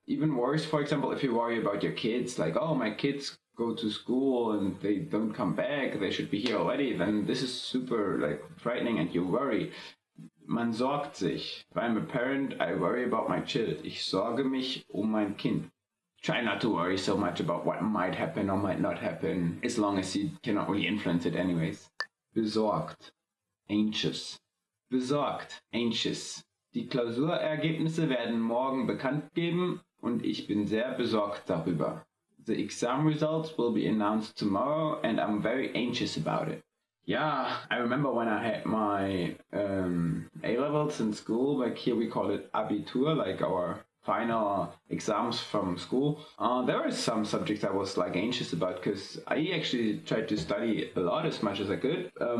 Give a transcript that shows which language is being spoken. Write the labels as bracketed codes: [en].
[en] Even worse, for example, if you worry about your kids, like, oh, my kids go to school and they don't come back, they should be here already, then this is super, like, frightening and you worry. [de] Man sorgt sich. [en] If I'm a parent, I worry about my child. [de] Ich sorge mich um mein Kind. [en] Try not to worry so much about what might happen or might not happen, as long as you cannot really influence it anyways. [de] Besorgt. [en] Anxious. [de] Besorgt. [en] Anxious. [de] Die Klausurergebnisse werden morgen bekannt geben und ich bin sehr besorgt darüber. [en] The exam results will be announced tomorrow and I'm very anxious about it. Yeah, I remember when I had my A-levels in school, like here we call it Abitur, like our final exams from school. There were some subjects I was like anxious about because I actually tried to study a lot as much as I could.